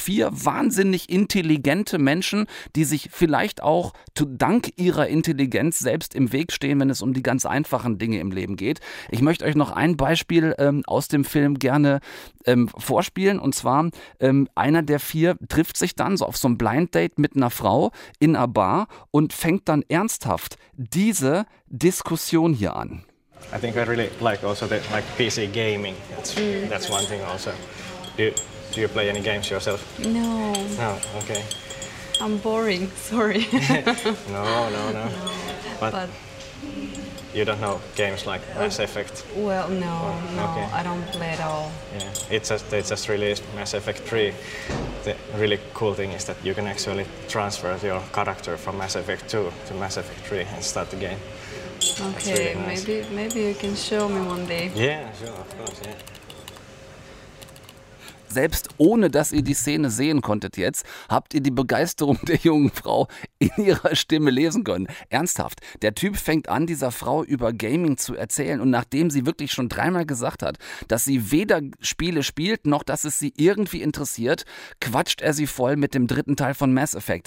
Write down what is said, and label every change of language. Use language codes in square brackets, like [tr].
[de] 4 wahnsinnig intelligente Menschen, die sich vielleicht auch dank ihrer Intelligenz selbst im Weg stehen, wenn es um die ganz einfachen Dinge im Leben geht. Ich möchte euch noch ein Beispiel aus dem Film gerne vorspielen. Und zwar, einer der 4 trifft sich dann so auf so ein Blind Date mit einer Frau in einer Bar und fängt dann ernsthaft diese Diskussion hier an. [en] I think I really like also that like PC gaming. That's one thing also. Do you play any games yourself? No. No, okay. I'm boring, sorry. No. But you don't know games like Mass Effect? Well, no. Okay. I don't play at all. Yeah, it's just released Mass Effect 3. The really cool thing is that you can actually transfer your character from Mass Effect 2 to Mass Effect 3 and start the game. Okay, really nice. maybe you can show me one day. Yeah, sure, of course, yeah. [de] Selbst ohne, dass ihr die Szene sehen konntet jetzt, habt ihr die Begeisterung der jungen Frau in ihrer Stimme lesen können. Ernsthaft, der Typ fängt an, dieser Frau über Gaming zu erzählen und nachdem sie wirklich schon 3-mal gesagt hat, dass sie weder Spiele spielt, noch dass es sie irgendwie interessiert, quatscht er sie voll mit dem 3. Teil von Mass Effect.